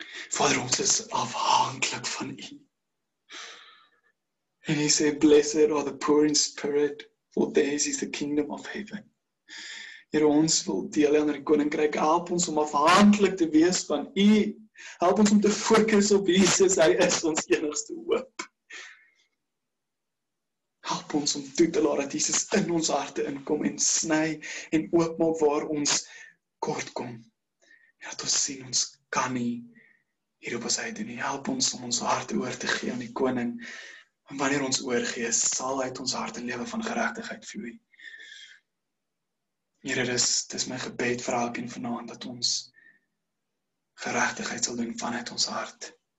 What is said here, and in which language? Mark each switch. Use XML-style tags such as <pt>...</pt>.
<af>Vader, ons is afhankelijk van U.</af> <en>En U sê, blessed are the poor in spirit, for theirs is the kingdom of heaven.</en> <af>Heere, ons wil deel aan die koninkryk, help ons om afhankelijk te wees van U. Help ons om te fokus op Jesus, Hy is ons enigste hoop. Help ons om toe te laat dat Jesus in ons harte inkom en sny en oopmaak waar ons kort kom. En dat ons sien, ons kan nie hier op ons uit doen. Help ons om ons harte oor te gee aan die koning. En wanneer ons oorgee, sal uit ons hart 'n lewe van geregtigheid vloei. Here, dis my gebed vir elkeen vanaand, dat ons geregtigheid sal doen vanuit ons hart.</af>